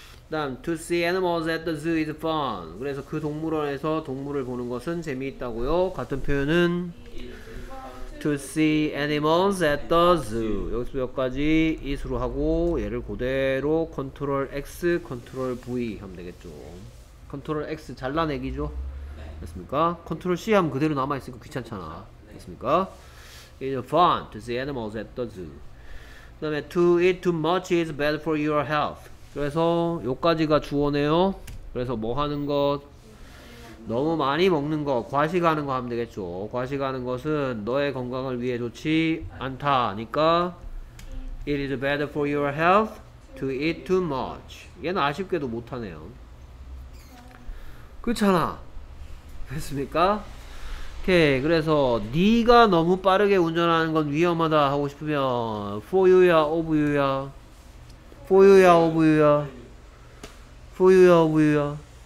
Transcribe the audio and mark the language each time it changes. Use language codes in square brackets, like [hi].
[ko] 다음 [en] To see animals at the zoo is fun. [ko] 그래서 그 동물원에서 동물을 보는 것은 재미있다고요. 같은 표현은 [en] To see animals at the zoo. [ko] 여기서 여기까지 is로 하고 얘를 그대로 컨트롤 X 컨트롤 V 하면 되겠죠. 컨트롤 X 잘라내기죠. 네. 됐습니까? 컨트롤 C 하면 그대로 남아 있으니까 귀찮잖아. 네. 됐습니까? [en] It's fun to see animals at the zoo. [ko] 그다음에 [en] to eat too much is bad for your health. [ko] 그래서 요까지가 주어네요. 그래서 뭐 하는 것? 너무 많이 먹는 거, 과식하는 거 하면 되겠죠. 과식하는 것은 너의 건강을 위해 좋지 않다니까. [en] It is bad for your health to eat too much. [ko] 얘는 아쉽게도 못 하네요. 그렇잖아. 됐습니까? 오케이. 그래서 네가 너무 빠르게 운전하는 건 위험하다 하고 싶으면 for you야, of you야? [en] for you야, of you야? for you야, of you야?